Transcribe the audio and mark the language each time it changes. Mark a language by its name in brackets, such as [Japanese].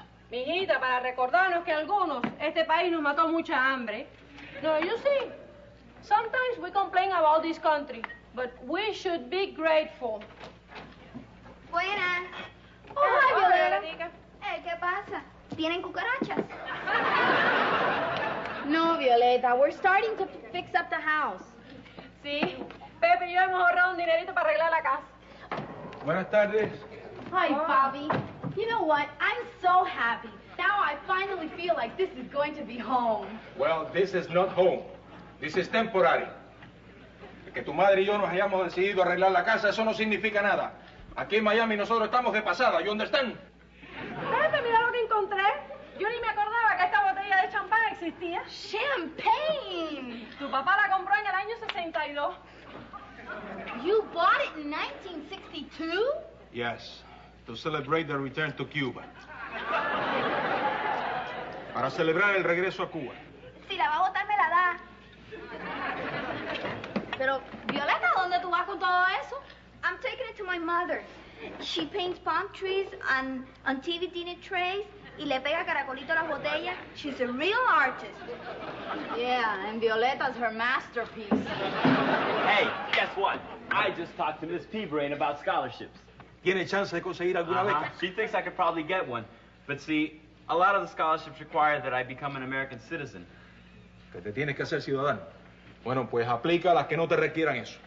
[Spanish] Mijita, para recordarnos que algunos, este país nos mató mucha hambre. [English] No, you see, sometimes we complain about this country, but we should be grateful. [Spanish] Buenas. Oh, hola, Violeta. Hey, ¿qué pasa? ¿Tienen cucarachas? [English] No, Violeta, we're starting to fix up the house. [Spanish] Sí, Pepe y yo hemos ahorrado un dinerito para arreglar la casa. Buenas tardes. [English] Hi, Bobby. You know what? I'm so happy. Now I finally feel like this is going to be home. Well, this is not home. This is temporary. [Spanish] Que tu madre y yo nos hayamos decidido arreglar la casa, eso no significa nada. Aquí en Miami nosotros estamos de pasada. [English] You understand? [Spanish] Pepe, mira lo que encontré. Yo ni me acordaba que esta botella de champán existía. ¡Champagne! Tu papá la compró en el año 62. [English] You bought it in 1962? Yes, to celebrate the return to Cuba. [Spanish] Para celebrar el regreso a Cuba. Si la va a botar, me la da. Pero, Violeta, ¿dónde tú vas con todo eso? [English] I'm taking it to my mother. She paints palm trees and on TV dinner trays. [Spanish] Y le pega caracolito a las botellas. [English] She's a real artist. Yeah, and Violeta's her masterpiece. Hey, guess what? I just talked to Miss P Brain about scholarships. [Spanish] ¿Tiene chance de conseguir alguna beca? [English] She thinks I could probably get one. But see, a lot of the scholarships require that I become an American citizen. [Spanish] Que te tienes que hacer ciudadano. Bueno, pues aplica a las que no te requieran eso.